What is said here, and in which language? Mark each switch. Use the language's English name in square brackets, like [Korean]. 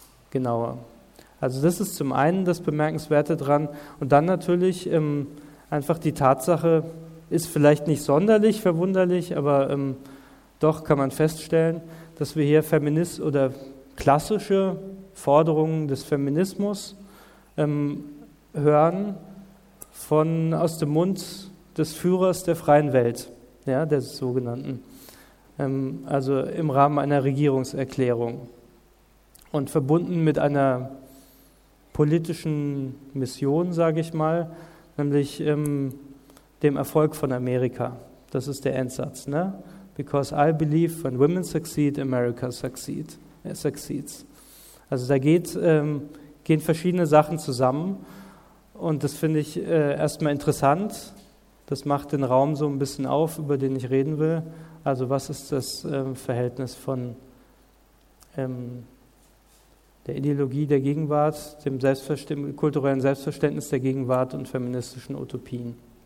[German] Genau. Also das ist zum einen das Bemerkenswerte dran und dann natürlich einfach die Tatsache, ist vielleicht nicht sonderlich verwunderlich, aber doch kann man feststellen, dass wir hier Feminist oder klassische Forderungen des Feminismus hören von aus dem Mund des Führers der freien Welt, ja, der sogenannten, also im Rahmen einer Regierungserklärung und verbunden mit einer politischen Mission, sage ich mal, nämlich dem Erfolg von Amerika. Das ist der Endsatz, ne? [English] Because I believe when women succeed, America succeeds. [German] Also da gehen verschiedene Sachen zusammen und das finde ich erstmal interessant. Das macht den Raum so ein bisschen auf, über den ich reden will. Also was ist das Verhältnis von der Ideologie der Gegenwart, dem kulturellen Selbstverständnis der Gegenwart und feministischen Utopien?